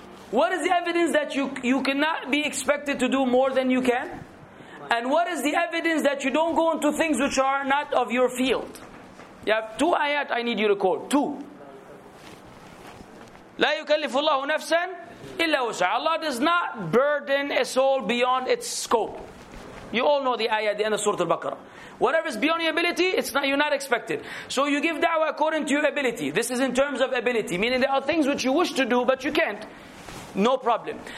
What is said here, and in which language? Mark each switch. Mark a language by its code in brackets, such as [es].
[en] What is the evidence that you cannot be expected to do more than you can? And what is the evidence that you don't go into things which are not of your field? You have two ayat I need you to quote. Two. [ar] لا يكلف الله نفسا إلا وسع. [en] Allah does not burden a soul beyond its scope. You all know the ayat, the end of Surah Al-Baqarah. Whatever is beyond your ability, you're not expected. So you give da'wah according to your ability. This is in terms of ability. Meaning there are things which you wish to do, but you can't. No problem.